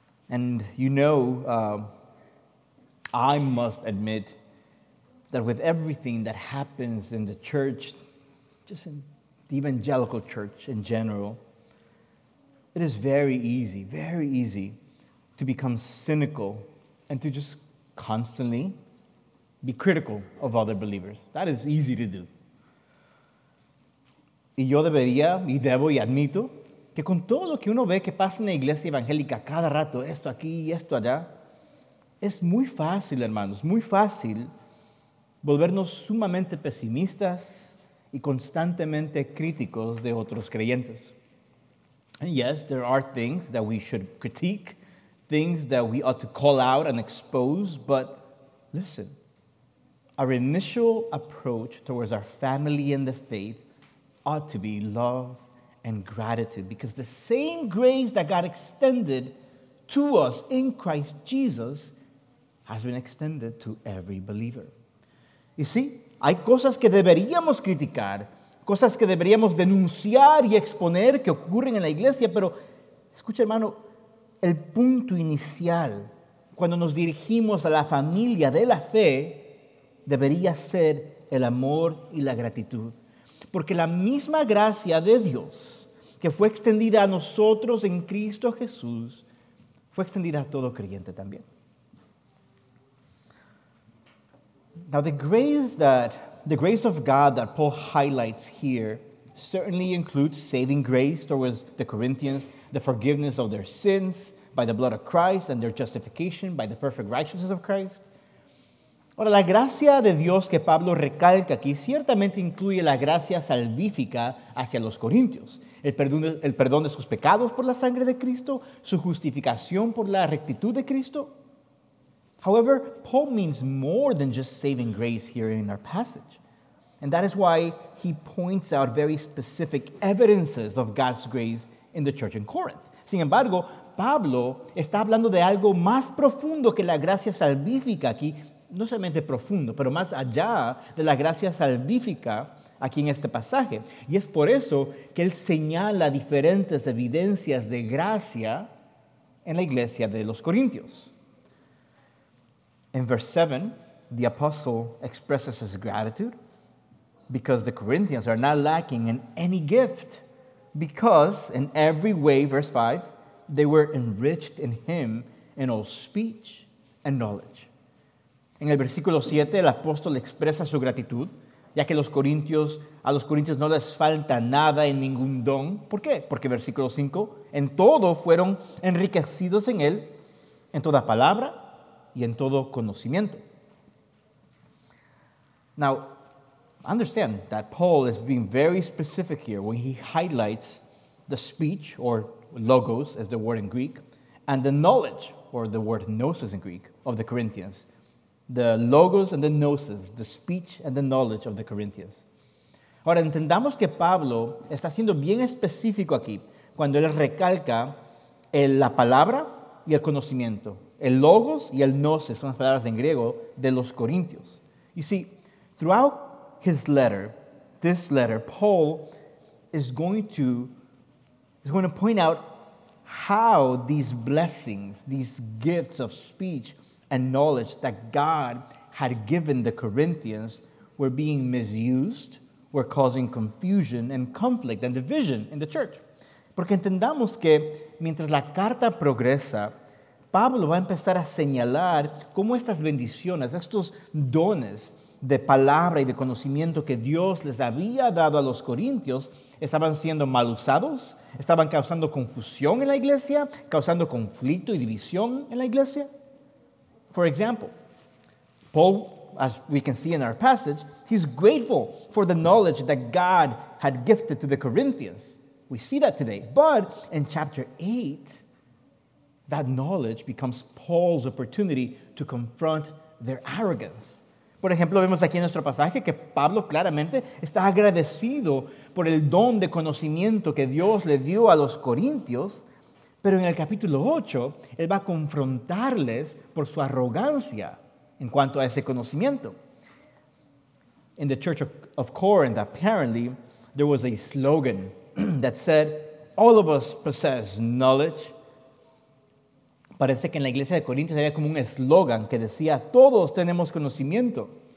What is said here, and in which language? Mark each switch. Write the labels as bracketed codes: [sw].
[en] And you know, I must admit that with everything that happens in the church, just in the evangelical church in general, it is very easy to become cynical and to just constantly be critical of other believers. That is easy to do. [es] Y yo debería, y debo, y admito, que con todo lo que uno ve que pasa en la iglesia evangélica cada rato, esto aquí y esto allá, es muy fácil, hermanos, muy fácil volvernos sumamente pesimistas y constantemente críticos de otros creyentes. [en] And yes, there are things that we should critique, things that we ought to call out and expose, but listen, our initial approach towards our family and the faith ought to be love and gratitude, because the same grace that God extended to us in Christ Jesus has been extended to every believer. You see, [es] hay cosas que deberíamos criticar, cosas que deberíamos denunciar y exponer que ocurren en la iglesia, pero escucha, hermano, el punto inicial, cuando nos dirigimos a la familia de la fe, debería ser el amor y la gratitud. Porque la misma gracia de Dios que fue extendida a nosotros en Cristo Jesús fue extendida a todo creyente también. [en] Now, the grace of God that Paul highlights here certainly includes saving grace towards the Corinthians, the forgiveness of their sins by the blood of Christ and their justification by the perfect righteousness of Christ. [es] Ahora, la gracia de Dios que Pablo recalca aquí ciertamente incluye la gracia salvífica hacia los corintios, el perdón de sus pecados por la sangre de Cristo, su justificación por la rectitud de Cristo. [en] However, Paul means more than just saving grace here in our passage. And that is why he points out very specific evidences of God's grace in the church in Corinth. [es] Sin embargo, Pablo está hablando de algo más profundo que la gracia salvífica aquí, no solamente profundo, pero más allá de la gracia salvífica aquí en este pasaje. Y es por eso que él señala diferentes evidencias de gracia en la iglesia de los corintios. [en] In verse 7, the apostle expresses his gratitude because the Corinthians are not lacking in any gift, because in every way, verse 5, they were enriched in him in all speech and knowledge. [es] En el versículo 7, el apóstol expresa su gratitud, ya que los corintios a los corintios no les falta nada en ningún don. ¿Por qué? Porque versículo 5, en todo fueron enriquecidos en él, en toda palabra y en todo conocimiento. [en] Now, understand that Paul is being very specific here when he highlights the speech, or logos as the word in Greek, and the knowledge, or the word gnosis in Greek, of the Corinthians. The logos and the gnosis, the speech and the knowledge of the Corinthians. [es] Ahora, entendamos que Pablo está siendo bien específico aquí cuando él recalca la palabra y el conocimiento. El logos y el gnosis son las palabras en griego de los corintios. [en] You see, throughout his letter, this letter, Paul is going to point out how these blessings, these gifts of speech and knowledge that God had given the Corinthians were being misused, were causing confusion and conflict and division in the church. [es] Porque entendamos que mientras la carta progresa, Pablo va a empezar a señalar cómo estas bendiciones, estos dones de palabra y de conocimiento que Dios les había dado a los corintios, estaban siendo mal usados, estaban causando confusión en la iglesia, causando conflicto y división en la iglesia. [en] For example, Paul, as we can see in our passage, he's grateful for the knowledge that God had gifted to the Corinthians. We see that today. But in chapter 8, that knowledge becomes Paul's opportunity to confront their arrogance. [es] Por ejemplo, vemos aquí en nuestro pasaje que Pablo claramente está agradecido por el don de conocimiento que Dios le dio a los corintios, pero en el capítulo 8, él va a confrontarles por su arrogancia en cuanto a ese conocimiento. [en] In the church of Corinth, apparently, there was a slogan that said, "All of us possess knowledge." [es] Parece que en la iglesia de Corinto había como un eslogan que decía, todos tenemos conocimiento.